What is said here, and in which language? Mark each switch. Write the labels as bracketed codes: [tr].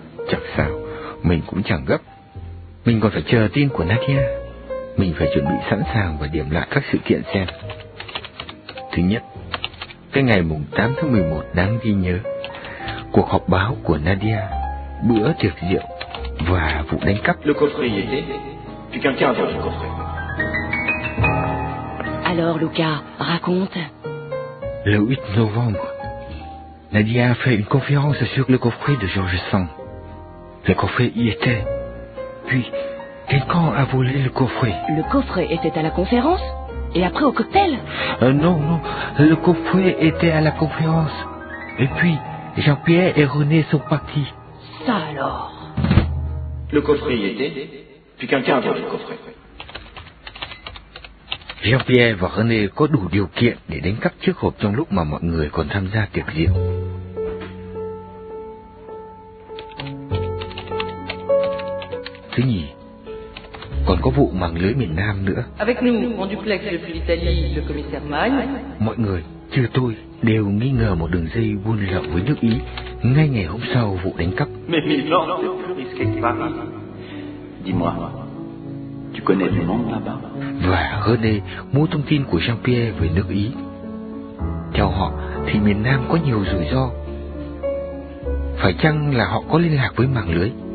[vi] Chẳng sao, mình cũng chẳng gấp. Mình còn phải chờ tin của Nadia. Mình phải chuẩn bị sẵn sàng và điểm lại các sự kiện xem. Thứ nhất, cái ngày mùng 8 tháng 11 đáng ghi nhớ. Cuộc họp báo của Nadia, bữa tiệc rượu và vụ đánh cắp. [fr] Le coffret y était. Puis quelqu'un a perdu le coffret. Alors Luca, raconte. Le 8 novembre, Nadia a fait une conférence sur le coffret de George Sand. Le coffret y était. Puis quelqu'un a volé le coffret. Le coffret était à la conférence et après au cocktail? Non, le coffret était à la conférence. Et puis, Jean-Pierre et René sont partis. Ça alors? Le coffret y était, puis quelqu'un a volé le coffret. [vi] Jean-Pierre và René có đủ điều kiện để đánh cắp chiếc hộp trong lúc mà mọi người còn tham gia tiệc rượu. Thứ nhì, còn có vụ mạng lưới miền Nam nữa. [fr] Avec nous, en duplex depuis l'Italie, le commissaire Magne. [vi] Mọi người, trừ tôi, đều nghi ngờ một đường dây buôn lậu với nước Ý ngay ngày hôm sau vụ đánh cắp. [fr] Mais non, c'est plus risqué que ça. Dis-moi, tu connais le monde là-bas? [vi] Và René mua thông tin của Jean-Pierre về nước Ý. Theo họ, thì miền Nam có nhiều rủi ro. Phải chăng là họ có liên lạc với mạng lưới?